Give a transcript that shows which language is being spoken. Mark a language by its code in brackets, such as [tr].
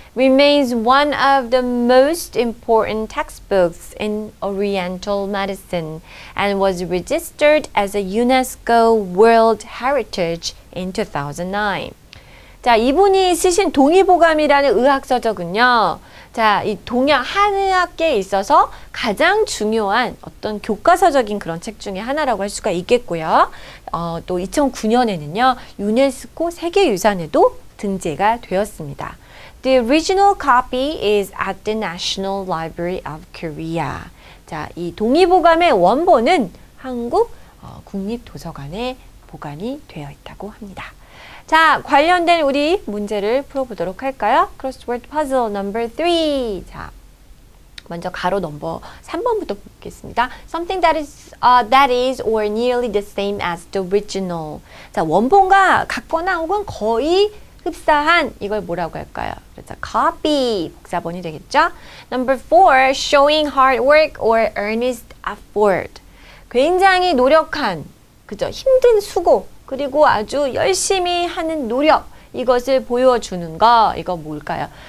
[en] Remains one of the most important textbooks in Oriental medicine and was registered as a UNESCO World Heritage in 2009. [ko] 자, 이분이 쓰신 동의보감이라는 의학서적은요. 자, 이 동양 한의학계에 있어서 가장 중요한 어떤 교과서적인 그런 책 중에 하나라고 할 수가 있겠고요. 또 2009년에는요. 유네스코 세계유산에도 등재가 되었습니다. [en] The original copy is at the National Library of Korea. [ko] 자, 이 동의보감의 원본은 한국 국립도서관에 보관이 되어 있다고 합니다. 자, 관련된 우리 문제를 풀어보도록 할까요? [en] Crossword Puzzle number 3. [ko] 자, 먼저 가로 넘버 3번부터 보겠습니다. [en] Something that is or nearly the same as the original. [ko] 자, 원본과 같거나 혹은 거의 흡사한 이걸 뭐라고 할까요? 그래서 [en] copy [ko] 복사본이 되겠죠? [en] Number 4, showing hard work or earnest effort. [ko] 굉장히 노력한, 그죠? 힘든 수고, 그리고 아주 열심히 하는 노력, 이것을 보여주는 거, 이거 뭘까요?